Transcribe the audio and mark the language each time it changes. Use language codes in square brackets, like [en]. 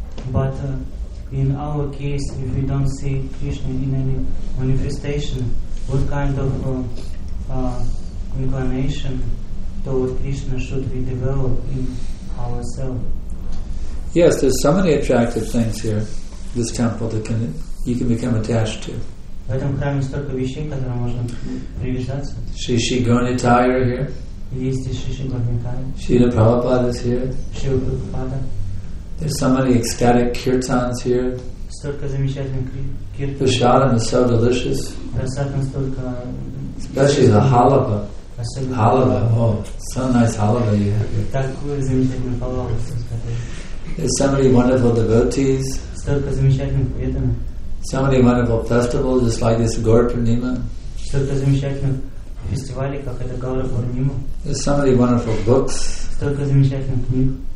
[en] But in our case, if we don't see Krishna in any manifestation, what kind of inclination toward Krishna should we develop in ourselves? Yes, there's so many attractive things here, this temple that you can become attached to. [ru] В этом храме столько вещей, которым можно привязаться. [en] Шри Гонитайра here. [ru] Есть Шри Гонитайра. [en] Шрила Прабхупада is here. [ru] Шрила Прабхупада. [en] There's so many ecstatic kirtans here. [ru] Столько замечательных [en] kirtans. Prasadam is so delicious. [ru] Prasadam столько. [en] Especially the halava. Halava, oh, so nice halava you have here. [ru] Такое замечательное halava. [en] There's so many wonderful devotees. [ru] Столько замечательных преданных. [en] So many wonderful festivals, just like this Gaura Purnima. [ru] Столько замечательных фестивалей, как это Гаура Пурнима. [en] There's so many wonderful books. [ru] Столько замечательных книг.